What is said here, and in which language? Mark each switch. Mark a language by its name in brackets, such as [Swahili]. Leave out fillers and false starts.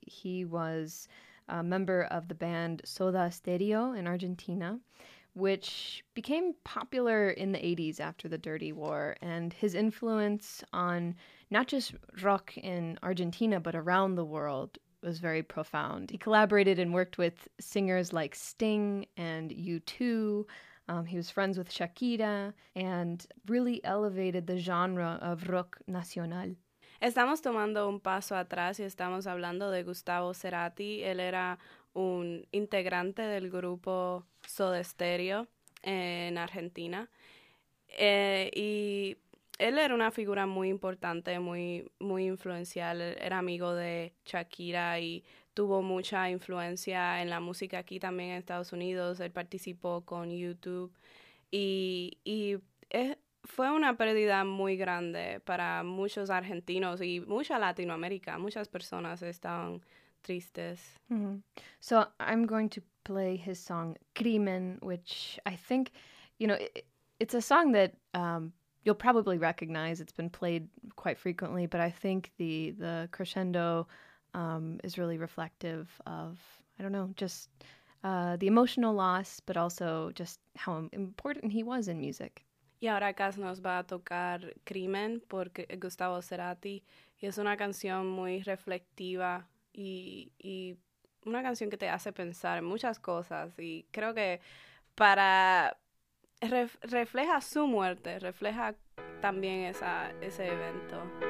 [English] He was a member of the band Soda Stereo in Argentina, which became popular in the 80s after the Dirty War, and his influence on not just rock in Argentina, but around the world was very profound. He collaborated and worked with singers like Sting and U2. He was friends with Shakira and really elevated the genre of rock nacional. [Spanish] Estamos tomando un paso atrás y estamos hablando de Gustavo Cerati. Él era un integrante del grupo Soda Stereo en Argentina. Y él era una figura muy importante, muy, muy influencial. Era amigo de Shakira y tuvo mucha influencia en la música aquí también en Estados Unidos. Él participó con YouTube. Y fue una pérdida muy grande para muchos argentinos y mucha Latinoamérica. Muchas personas estaban tristes. Mm-hmm. [English] So I'm going to play his song Crimen, which I think, you know, it's a song that you'll probably recognize. It's been played quite frequently, but I think the crescendo is really reflective of, I don't know, just the emotional loss, but also just how important he was in music. [Spanish] Y ahora Cass nos va a tocar Crimen por Gustavo Cerati, y es una canción muy reflectiva y una canción que te hace pensar muchas cosas, y creo que para refleja su muerte, refleja también ese evento.